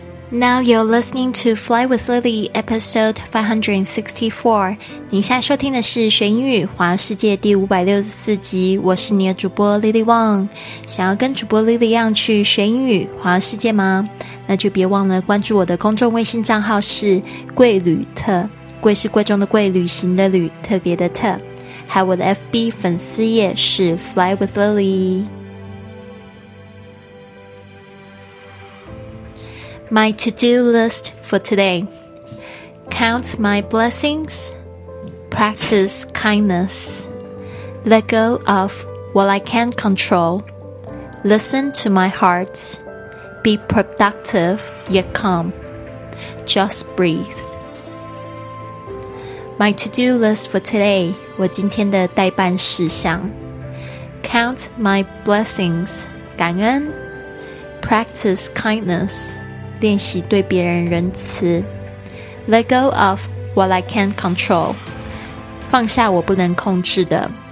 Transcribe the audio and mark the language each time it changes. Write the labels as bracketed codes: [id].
[en] Now you're listening to Fly with Lily, episode 564. [zh] 您现在收听的是学英语环游世界第564集，我是你的主播 Lily Wang。想要跟主播 Lily 一样去学英语环游世界吗？那就别忘了关注我的公众微信账号是贵旅特，贵是贵重的贵，旅行的旅，特别的特，还有我的 FB 粉丝页是 Fly with Lily。 [en] My to-do list for today: count my blessings, practice kindness, let go of what I can't control, listen to my heart, be productive yet calm, just breathe. My to-do list for today, [zh] 我今天的代办事项: [en] count my blessings, [zh] 感恩, [en] practice kindness, [zh] 练习对别人仁慈 [en] Let go of what I can't control [zh] 放下我不能控制的